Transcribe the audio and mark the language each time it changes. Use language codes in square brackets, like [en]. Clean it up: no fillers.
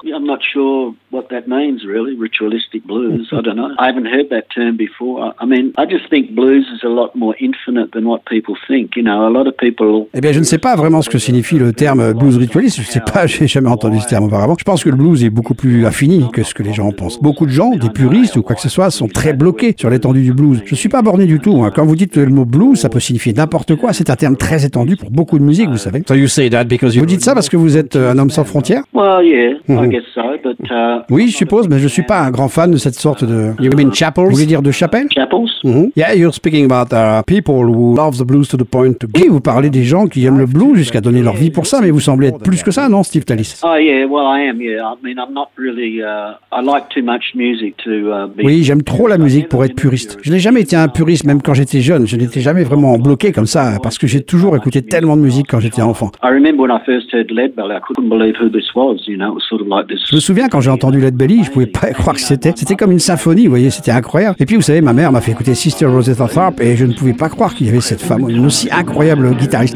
[en] I'm not sure what that means, really, ritualistic blues. I don't know. I haven't heard that term before. I mean, I just think blues is a lot more infinite than what people think. You know, a lot of people... [fr] Eh bien, je ne sais pas vraiment ce que signifie le terme blues ritualiste. Je ne sais pas, je n'ai jamais entendu ce terme auparavant. Je pense que le blues est beaucoup plus infini que ce que les gens pensent. Beaucoup de gens, des puristes ou quoi que ce soit, sont très bloqués sur l'étendue du blues. Je ne suis pas borné du tout. Quand vous dites le mot blues, ça peut signifier n'importe quoi. C'est un terme très étendu pour beaucoup de musique, vous savez. [en] So you say that because [fr] vous dites ça parce que vous êtes un homme sans frontières? [en] Well, yeah, I guess. [fr] Oui, je suppose, mais je ne suis pas un grand fan de cette sorte de... [en] You mean chapels? [fr] Vous voulez dire de chapelle? [en] Chapels? Mm-hmm. Yeah, you're speaking about people who love the blues to the point to... [fr] Oui, vous parlez des gens qui aiment le blues jusqu'à donner leur vie pour ça, mais vous semblez être plus que ça, non, Steve Tallis? [en] Oh, yeah, well, I am, yeah. I mean, I'm not really... I like too much music to... [fr] Oui, j'aime trop la musique pour être puriste. Je n'ai jamais été un puriste, même quand j'étais jeune. Je n'étais jamais vraiment bloqué comme ça, parce que j'ai toujours écouté tellement de musique quand j'étais enfant. [en] I remember when I first heard Led Belly, I couldn't believe who this was, you know, it was sort of like... [fr] Je me souviens quand j'ai entendu Led Belly, je pouvais pas croire que c'était. C'était comme une symphonie, vous voyez, c'était incroyable. Et puis vous savez, ma mère m'a fait écouter Sister Rosetta Tharpe et je ne pouvais pas croire qu'il y avait cette femme, une aussi incroyable guitariste.